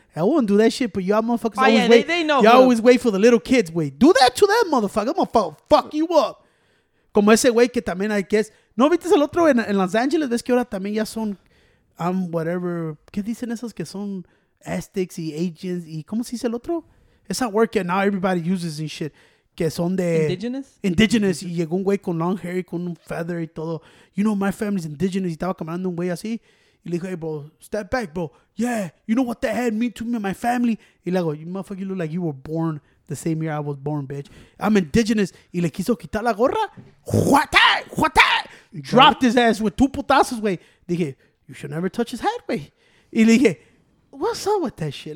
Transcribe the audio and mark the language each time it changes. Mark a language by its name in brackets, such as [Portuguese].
[English] I wouldn't do that shit, but y'all motherfuckers always wait. They know. Y'all always wait for the little kids, güey. Do that to them, motherfucker. I'm gonna fuck you up. [Spanish] Como ese güey que también hay que es. ¿No viste el otro en Los Ángeles? ¿Ves que ahora también ya son, whatever. ¿Qué dicen esos que son Aztecs y Asians? ¿Y cómo se dice el otro? [English] It's not working. Now everybody uses and shit. [Spanish] Que son de [English] indigenous. [Spanish] Y llegó un güey con long hair y con un feather y todo. [English] You know, my family's indigenous. [Spanish] Y estaba caminando un güey así. [English] Y le dijo, hey, bro, step back, bro. Yeah, you know what that had mean to me and my family? [Spanish] Y le digo, [English] you motherfucker, you look like you were born the same year I was born, bitch. I'm indigenous. [Spanish] Y le quiso quitar la gorra. [English] What that? Dropped his ass with two putazos, güey. Dije, you should never touch his head, güey. [Spanish] Y le dije, [English] what's up with that shit?